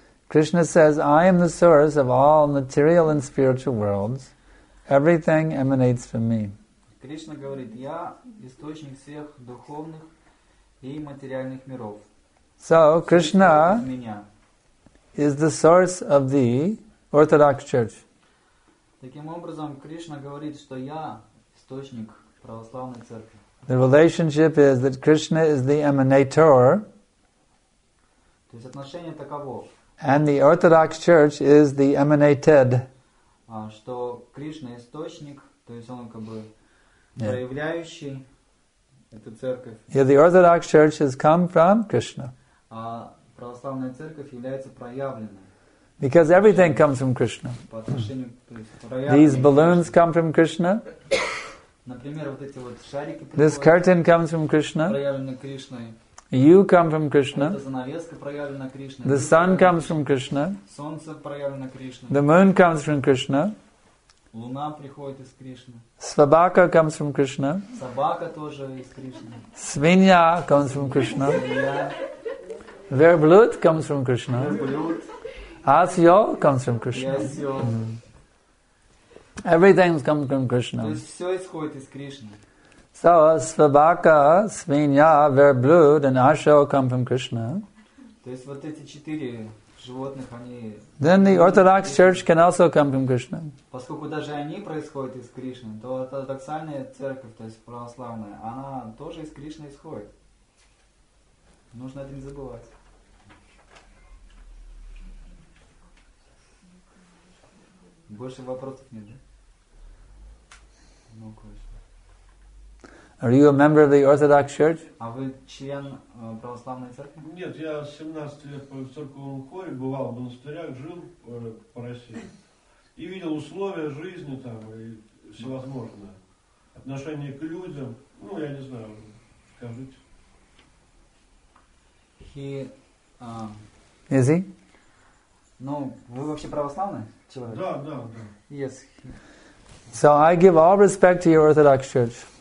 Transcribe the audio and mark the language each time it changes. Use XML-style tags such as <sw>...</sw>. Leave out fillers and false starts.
<en>Krishna says, I am the source of all material and spiritual worlds. Everything emanates from me.</en> <ru>Krishna говорит, я источник всех духовных и материальных миров.</ru> <en>So, Krishna is the source of the Orthodox Church.</en> <ru>Таким образом, Krishna говорит, что я источник православной церкви.</ru> <en>The relationship is that Krishna is the emanator.</en> <ru>То есть отношение таково.</ru> <en>And the Orthodox Church is the emanated.</en> <ru>Что Кришна источник, то есть он как бы проявляющий эту церковь.</ru> <en>Yeah, the Orthodox Church has come from Krishna.</en> <ru>А православная церковь является проявленной.</ru> <en>Because everything comes from Krishna.</en> <ru>По отношению, то есть проявленной.</ru> <en>These balloons come from Krishna.</en> <ru>Например, вот эти вот шарики.</ru> <en>This curtain comes from Krishna.</en> <ru>Проявленной Кришной.</ru> <en>You come from Krishna. The sun comes from Krishna.</en> <ru>Солнце проявлено Кришной.</ru> <en>The moon comes from Krishna.</en> <ru>Луна приходит из Кришны.</ru> <en>Собака comes from Krishna.</en> <ru>Собака тоже из Кришны.</ru> <en>Свинья comes from Krishna. Верблюд comes from Krishna.</en> <ru>Верблюд.</ru> <en>Осел comes from Krishna. Everything comes from Krishna.</en> <ru>То есть все исходит из Кришны.</ru> <en>So, svabaka, svinya, verblud, and ashel come from Krishna.</en> <ru>То есть вот эти четыре животных, они...</ru> <en>Then the Orthodox Church can also come from Krishna.</en> <ru>Поскольку даже они происходят из Кришны, то ортодоксальная церковь, то есть православная, она тоже из Кришны исходит. Нужно это не забывать. Больше вопросов нет, да? Ну, конечно.</ru> <en>Are you a member of the Orthodox Church?</en> <ru>А вы член православной церкви? Нет, я 17 лет в церковном хоре бывал в монастырях, жил по России. И видел условия жизни там, и всевозможное. Отношение к людям, ну, я не знаю, скажите.</ru> <en>Is he?</en> <ru>Ну, вы вообще православный человек? Да, да, да.</ru> <en>Yes. So I give all respect to your Orthodox Church.</en>